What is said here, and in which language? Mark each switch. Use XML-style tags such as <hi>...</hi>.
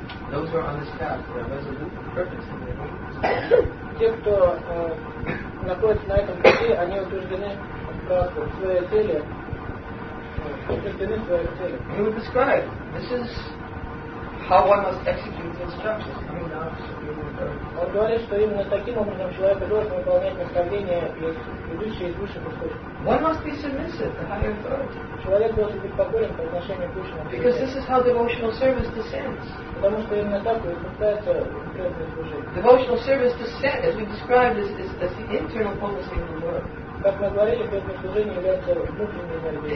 <en>Those who are on this path, they are resolute in purpose and their aim is one.</en> <ru>Те, кто находится на этом пути, они утверждены в своей цели.</ru> <en>He would describe, this is how one must execute the instructions coming down to Supreme Lord.</en> <ru>Он говорит, что именно таким образом человек должен выполнять наставления идущие из высших источников.</ru> <en>One must be submissive to higher authority.</en> <ru>Человек должен быть покорен по отношению к высшему.</ru> <en>Because this is how devotional service descends.</en> <ru>Потому что именно так выступается конкретное служение.</ru> <en>Devotional service descends, as we described, is the internal potency of the Lord.</en> <ru>Как мы говорили, преданное служение является внутренней энергией.</ru>